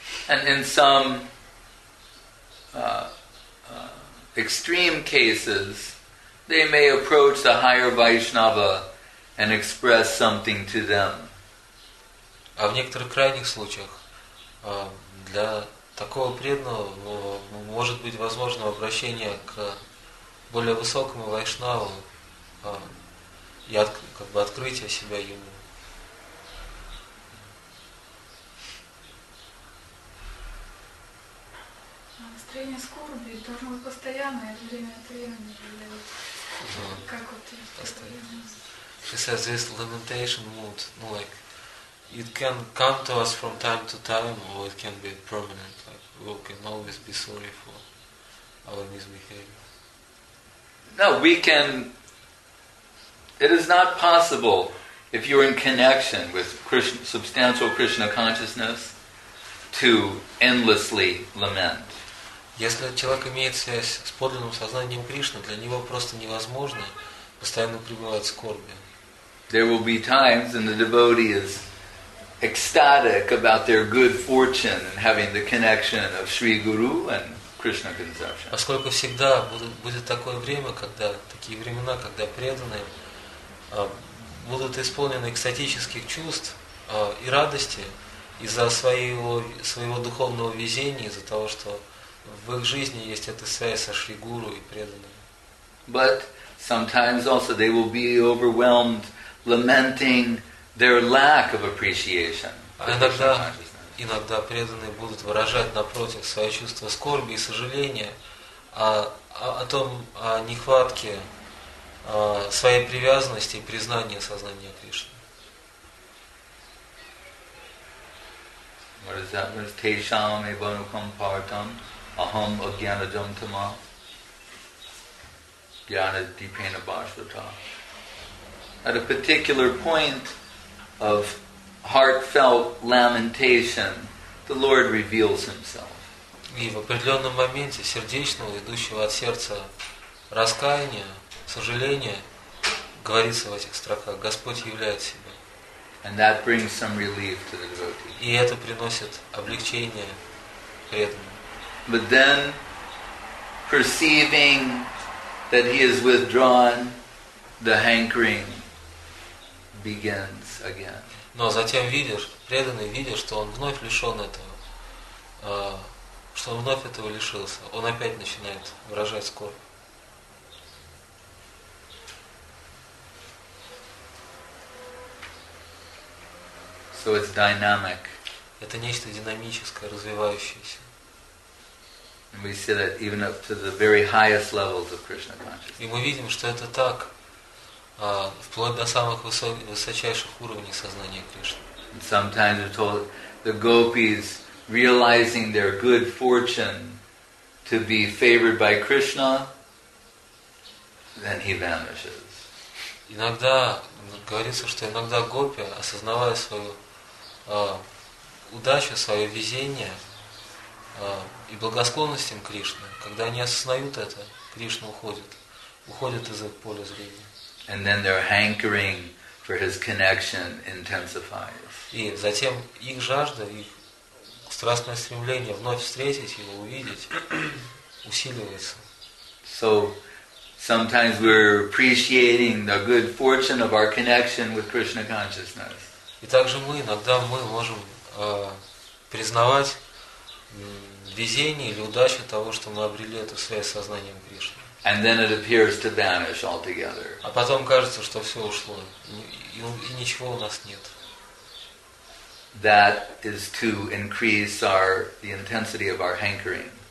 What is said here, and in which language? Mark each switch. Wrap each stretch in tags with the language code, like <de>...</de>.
<en>And in some extreme cases, they may approach the higher Vaishnava and express something to them.</en> <ru>А в некоторых крайних случаях для такого преданного может быть возможно обращение к более высокому вайшнаву и как бы открытие себя ему. Настроение скорби должно быть постоянное время от времени. Как вот постоянно.</ru> <en>She says this lamentation mood, ну, like it can come to us from time to time, or it can be permanent. Like we can always be sorry for our misbehavior. No, we can. It is not possible if you're in connection with Krishna, substantial Krishna consciousness to endlessly lament.</en> <ru>Если человек имеет связь с подлинным сознанием Кришны, для него просто невозможно постоянно пребывать в скорби.</ru> <en>There will be times when the devotee is ecstatic about their good fortune and having the connection of Sri Guru and Krishna conception.</en> <ru>Поскольку всегда будет такое время, когда такие времена, когда преданные будут исполнены экстатических чувств и радости из-за своего духовного везения, из-за того, что в их жизни есть эта связь со Шри Гуру и преданными.</ru> <en>But Sometimes also they will be overwhelmed, lamenting their lack of appreciation.</en> <ru>Иногда преданные будут выражать напротив свои чувства скорби и сожаления о том о нехватке своей привязанности и признания сознания Кришны.</ru> <en>What is that?</en> <sa>Teisham evanukam partam aham agyanajam tama gyanadipena bhashvata.</sa> <en>At a particular point of heartfelt lamentation, the Lord reveals Himself.</en> <ru>И в определенном моменте сердечного, идущего от сердца раскаяния, сожаления, говорится в этих строках, Господь являет Себя.</ru> <en>And that brings some relief to the devotee.</en> <ru>И это приносит облегчение преданному.</ru> <en>But then, perceiving that he is withdrawn, the hankering begins again.</en> <ru>Но затем видишь, преданный видит, что он вновь лишен этого, что он вновь этого лишился. Он опять начинает выражать скорбь.</ru> <en>So it's dynamic.</en> <ru>Это нечто динамическое, развивающееся.</ru> <en>And we see that even up to the very highest levels of Krishna consciousness.</en> <ru>И мы видим, что это так, вплоть до самых высочайших уровней сознания Кришны.</ru> <en>And sometimes we're told the gopis realizing their good fortune to be favored by Krishna, then he vanishes.</en> <ru>Иногда говорится, что иногда гопи, осознавая свою удача, свое везение и благосклонность им Кришны. Когда они осознают это, Кришна уходит. Уходит из их поля зрения.</ru> <en>And then their hankering for his connection intensifies.</en> <ru>И затем их жажда, их страстное стремление вновь встретить его, увидеть, усиливается.</ru> <en>So, sometimes we're appreciating the good fortune of our connection with Krishna consciousness.</en> <ru>И также мы иногда мы можем признавать везение или удачу того, что мы обрели эту связь с сознанием Кришны.</ru> <en>And then it appears to vanish altogether.</en> <ru>А потом кажется, что все ушло, и ничего у нас нет.</ru> <en>That is to increase the intensity of our hankering.</en>